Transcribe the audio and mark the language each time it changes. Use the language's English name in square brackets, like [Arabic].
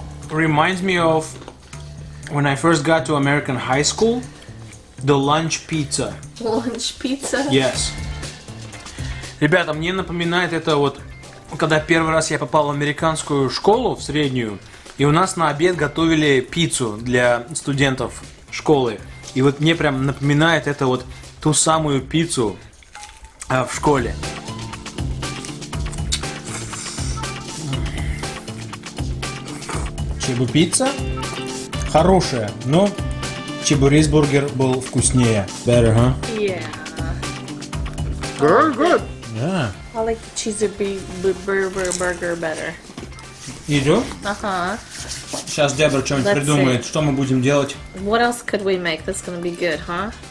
[English] Reminds me of when I first got to American high school, the lunch pizza. Lunch pizza? Yes. [Russian] Ребята, мне напоминает это вот, когда первый раз я попал в американскую школу, в среднюю, и у нас на обед готовили пиццу для студентов школы. И вот мне прям напоминает это вот ту самую пиццу, в школе. Чебупицца хорошая, но чебурисбургер был вкуснее. [English] Better, huh? Yeah. Very good. Yeah. I like the cheeseburger better. You do? Uh-huh. [Russian] Сейчас Дебра что-нибудь [English] Let's [Russian] придумает, [English] see. [Russian] Что мы будем делать. [English] What else could we make that's gonna be good, huh?